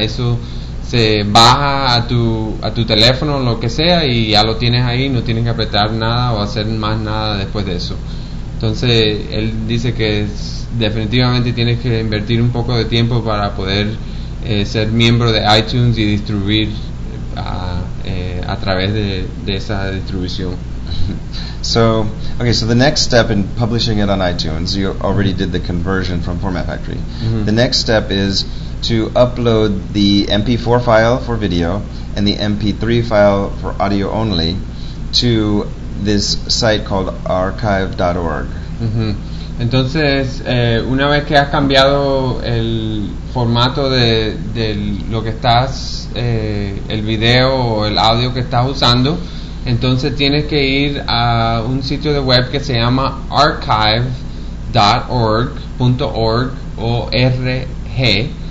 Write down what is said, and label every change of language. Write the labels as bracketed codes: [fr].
[es] Eso se baja a tu teléfono, lo que sea, y ya lo tienes ahí, no tienes que apretar nada o hacer más nada después de eso. Entonces él dice que definitivamente tienes que invertir un poco de tiempo para poder ser miembro de iTunes y distribuir a través de esa distribución. [en] So the next step in publishing it on iTunes, you already did the conversion from Format Factory. Mm-hmm. The next step is to upload the MP4 file for video and the MP3 file for audio only to this site called archive.org. [es] Entonces, una vez que has cambiado el formato de lo que estás, el video o el audio que estás usando, entonces tienes que ir a un sitio de web que se llama archive.org, O-R-G,